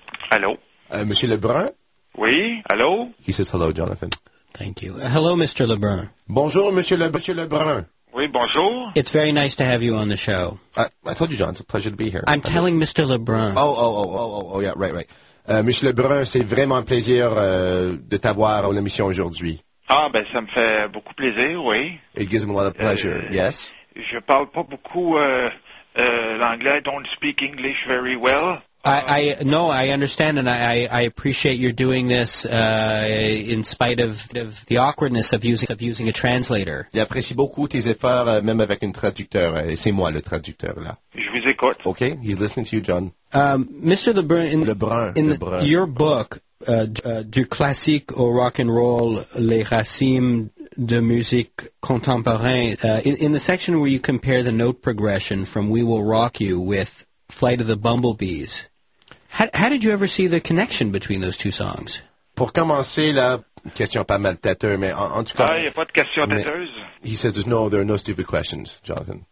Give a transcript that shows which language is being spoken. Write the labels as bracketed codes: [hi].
[en] Hello. [fr] Monsieur Lebrun? Oui, [en] hello? He says hello, Jonathan. Thank you. Hello, Mr. Lebrun. [fr] Bonjour, Monsieur Lebrun. Oui, bonjour. [en] It's very nice to have you on the show. I told you, John, it's a pleasure to be here. I'm telling Mr. Lebrun. Oh, yeah, right. [fr] Monsieur Lebrun, c'est vraiment un plaisir de t'avoir à l'émission aujourd'hui. Ah, ben, ça me fait beaucoup plaisir, oui. [en] It gives me a lot of pleasure, yes. [fr] Je parle pas beaucoup l'anglais. [en] I don't speak English very well. I understand, and I appreciate your doing this in spite of the awkwardness of using a translator. [fr] J'apprécie beaucoup tes efforts, même avec un traducteur. C'est moi le traducteur là. Je vous écoute. [en] Okay, he's listening to you, John. Mr. Lebrun. Your book, Du classique au rock and roll, Les racines de musique contemporain, in the section where you compare the note progression from We Will Rock You with Flight of the Bumblebees, how did you ever see the connection between those two songs? [fr] Pour commencer, là, question pas mal têteuse, mais en tout cas... Ah, il n'y a pas de question têteuse. [en] He says, no, there are no stupid questions, Jonathan.